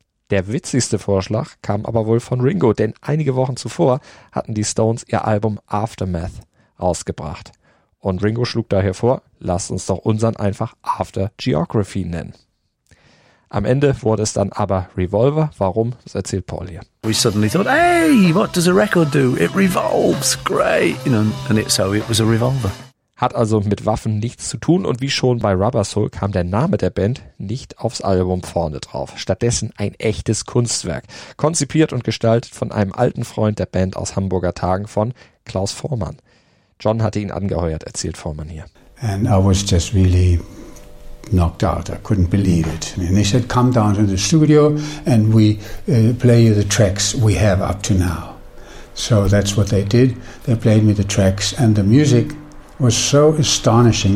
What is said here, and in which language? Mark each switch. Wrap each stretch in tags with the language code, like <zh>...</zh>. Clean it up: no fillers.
<de>Der witzigste Vorschlag kam aber wohl von Ringo, denn einige Wochen zuvor hatten die Stones ihr Album Aftermath rausgebracht. Und Ringo schlug daher vor, lasst uns doch unseren einfach After Geography nennen. Am Ende wurde es dann aber Revolver. Warum? Das erzählt Paul hier.</de> <en>We suddenly thought, hey, what does a record do? It revolves, great. You know, and it, so it was a revolver.</en> <de>Hat also mit Waffen nichts zu tun und wie schon bei Rubber Soul kam der Name der Band nicht aufs Album vorne drauf. Stattdessen ein echtes Kunstwerk. Konzipiert und gestaltet von einem alten Freund der Band aus Hamburger Tagen von Klaus Voormann. John hatte ihn angeheuert, erzählt Voormann hier.</de> <en>And I was just really knocked out. I couldn't believe it. And they said, come down to the studio and we play you the tracks we have up to now. So that's what they did. They played me the tracks and the music was so astonishing.</en>